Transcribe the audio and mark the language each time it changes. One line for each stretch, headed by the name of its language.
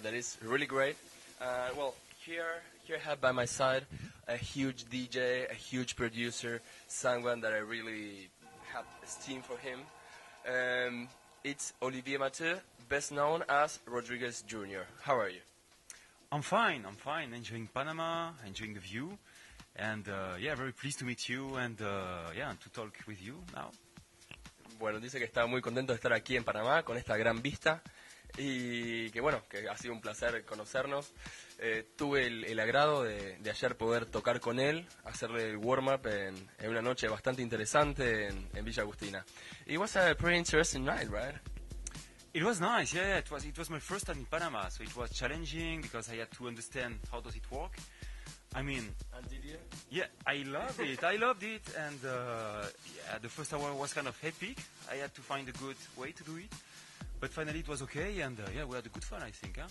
English: that is really great. Well, here I have by my side a huge DJ, a huge producer, someone that I really have esteem for him. It's Olivier Mathieu, best known as Rodriguez Jr. How are you? I'm fine. Enjoying Panama, enjoying the view. And yeah, very pleased to meet you and yeah, to talk with you now.
Spanish: Bueno, dice que está muy contento de estar aquí en Panamá con esta gran vista y que bueno, que ha sido un placer conocernos. Tuve el agrado de ayer poder tocar con él, hacerle el warm-up en una noche bastante interesante en Villa Agustina.
English: It was a pretty interesting night, right? It was nice, yeah. It was my first time in Panama, so it was challenging because I had to understand how does it work. I mean, and did you? Yeah, I loved it, and yeah, the first hour was kind of epic. I had to find a good way to do it, but finally it was okay, and yeah, we had a good fun, I think. Huh?